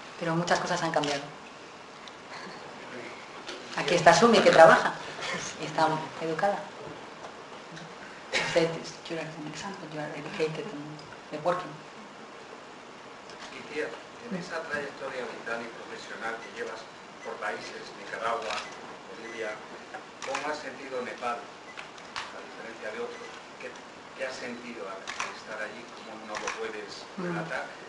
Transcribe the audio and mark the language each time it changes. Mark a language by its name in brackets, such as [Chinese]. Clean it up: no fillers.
[Spanish] Pero muchas cosas han cambiado. Aquí está Sumi, que trabaja y está educada. [English] You said this, you are an example, you are educated and working. [Spanish] Itziar, en esa trayectoria vital y profesional que llevas por países, Nicaragua, Bolivia, ¿cómo has sentido Nepal, a diferencia de otros? ¿Qué has sentido al estar allí? ¿Cómo no lo puedes relatar?